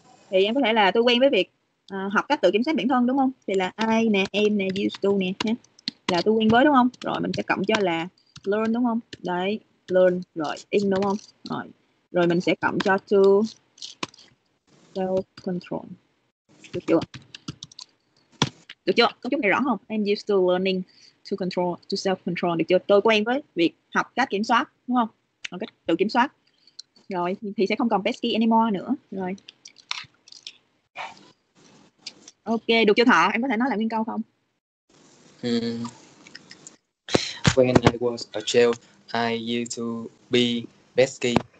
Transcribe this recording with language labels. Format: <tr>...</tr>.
<vi>Thì em có thể là tôi quen với việc học cách tự kiểm soát bản thân đúng không? Thì là I nè, em nè,</vi> <en>used to</en> <vi>nè ha. Là tôi quen với đúng không? Rồi mình sẽ cộng cho là learn đúng không? Đấy, learn rồi in đúng không? Rồi. Rồi mình sẽ cộng cho</vi> <en>to self control.</en> <vi>Được chưa? Được chưa? Có chút này rõ không?</vi> <en>I'm used to learning to control, to self-control.</en> <vi>Được chưa? Tôi quen với việc học cách kiểm soát, đúng không? Học cách tự kiểm soát. Rồi, thì sẽ không còn</vi> <en>pesky anymore</en> <vi>nữa. Rồi. Ok, được chưa Thọ? Em có thể nói lại nguyên câu không?</vi> <en>When I was a child, I used to be pesky.</en>